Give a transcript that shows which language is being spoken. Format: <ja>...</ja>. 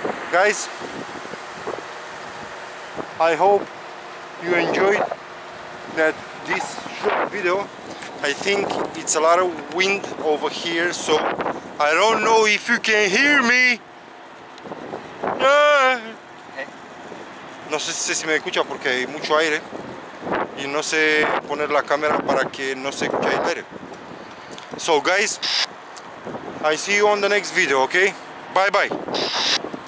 <en>Guys, I hope you enjoyed that this short video. I think it's a lot of wind over here, so I don't know if you can hear me.</en> <es>No sé si me escucha porque hay mucho aire y no sé poner la cámara para que no se escuche el aire.</es> <en>So guys, I see you on the next video, okay? Bye bye.</en>